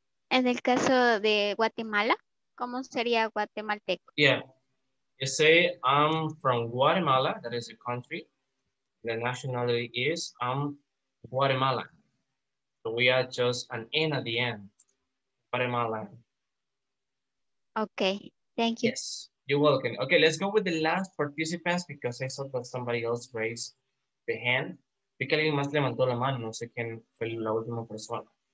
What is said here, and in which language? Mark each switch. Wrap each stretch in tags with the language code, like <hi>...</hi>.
<es>En el caso de Guatemala, ¿cómo sería guatemalteco?</es> <en>Yeah. You say, I'm from Guatemala, that is a country. The nationality is, I'm Guatemala. So we are just an N at the end, Guatemala. Okay, thank you. Yes, you're welcome. Okay, let's go with the last participants because I saw that somebody else raised the hand.</en> <es>Vi que alguien más levantó la mano, no sé quién fue la última persona.</es>